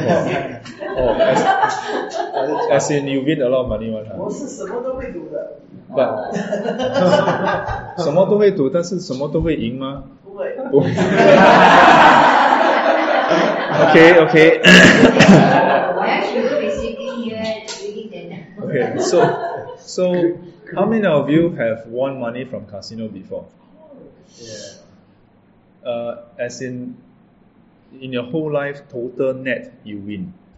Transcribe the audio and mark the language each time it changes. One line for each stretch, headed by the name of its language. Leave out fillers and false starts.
English: Oh, as in you win a lot of money, right?
Chinese: 我是什么都会赌的。什么都会赌，但是什么都会赢吗？不会。
English: Okay, okay. Okay, so how many of you have won money from casino before? Yeah. As in your whole life, total net, you win.